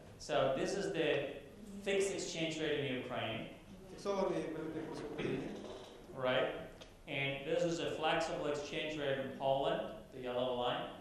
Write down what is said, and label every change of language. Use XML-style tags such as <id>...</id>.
<en>So this is the fixed exchange rate in Ukraine.</en> <uk>Фіксований валютний курс в Україні.</uk> <en>Right. And this is a flexible exchange rate in Poland, the yellow line.</en>